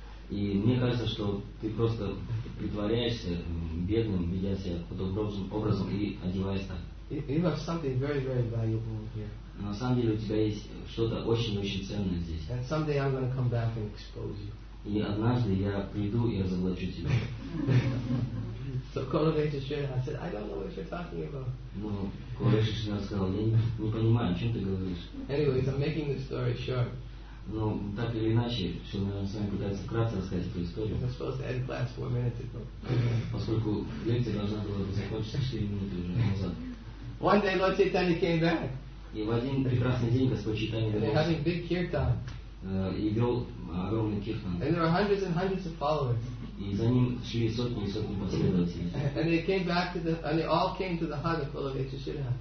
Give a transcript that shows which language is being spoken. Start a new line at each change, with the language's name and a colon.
Russian: И мне кажется, что ты просто притворяешься бедным, ведя себя подобным образом и одеваясь так.
English: You have something very, very valuable here.
Russian: На самом деле у тебя есть что-то очень-очень ценное здесь.
English: And someday I'm going to come back and expose you.
Russian: И однажды я приду и разоблачу тебя.
English: So Kolevich Shrinath said, I don't know what you're talking about.
Russian: Ну, Kolevich Shrinath сказал, я не понимаю, о чем ты говоришь.
English: Anyways, I'm making the story short.
Russian: Ну, так или иначе, все, наверное, с вами пытаются вкратце рассказать эту историю.
English: I was supposed to end class 4 minutes ago.
Russian: Поскольку лекция должна была закончиться 4 минуты уже назад.
English: One day Lord Chaitanya came back.
Russian: И в один прекрасный день Господь Чайтанья вернулся.
English: Having big kirtan.
Russian: И вел огромный кирхан.
English: And there were hundreds and hundreds of followers.
Russian: И за ним шли сотни и сотни последователей.
English: And they came back to the, and they all came to the hut of Kolevich Shrinath.